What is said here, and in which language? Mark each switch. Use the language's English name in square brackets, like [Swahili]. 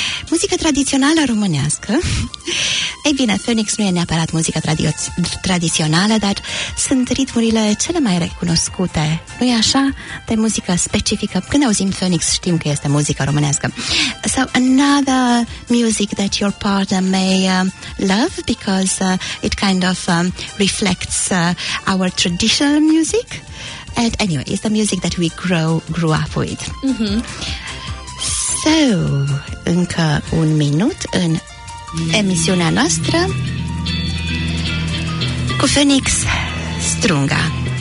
[Romanian] muzică tradițională românească. Ei bine, Phoenix nu e neapărat muzică tradițională, dar sunt ritmurile cele mai recunoscute, nu-i așa, de muzică specifică. Când auzim Phoenix, știm că este muzică românească. [English] So, another music that your partner may love, because it kind of reflects our traditional music. And anyway, it's the music that we grew up with. [Romanian] So, încă un minut în emisiunea noastră cu Phoenix Strunga.